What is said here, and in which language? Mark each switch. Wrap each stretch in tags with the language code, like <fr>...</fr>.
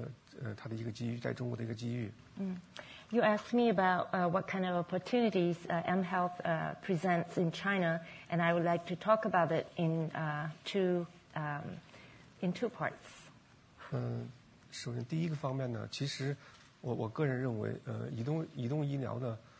<zh>我想从两个方面来说这个就是移动医疗的它的一个机遇在中国的一个机遇。</zh> <en>You asked me about what kind of opportunities mHealth presents in China, and I would like to talk about it in two parts.</en> <zh>首先第一个方面呢，其实我个人认为，移动医疗呢。</zh>